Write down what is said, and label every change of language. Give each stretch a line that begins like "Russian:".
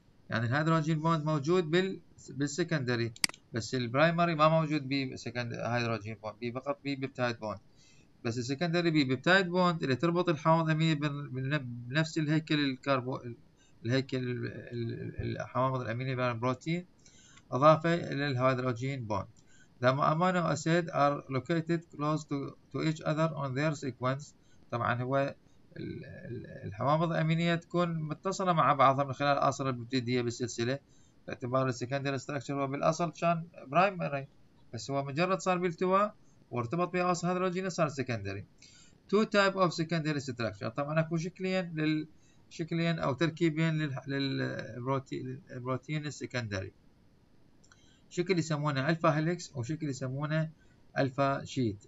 Arabic: يعني الهيدروجين بوند موجود بالسكندري، بس البرايمري ما موجود بهيدروجين بوند، فقط ببيبتايد بوند. بس السكندري ببيبتايد بوند اللي تربط الحامض الأميني بنفس الهيكل الهيكل الحامض الأميني بالبروتين، أضافة إلى الهيدروجين بوند.
English: The amino acids are located close to each other on their sequence.
Arabic: طبعا هو الحوامض الأمينية تكون متصلة مع بعضها من خلال الأصل البيبتيدية بالسلسلة، باعتبار السكندري ستراكشر هو بالأصل كان برايمري، بس هو مجرد صار بالتواء وارتبط بأصل هيدروجين صار سكندري.
English: Two type of secondary structure.
Arabic: طبعا اكو شكليين او تركيبين للبروتين السكندري، شكل يسمونه الفا هيليكس وشكل يسمونه الفا شيت.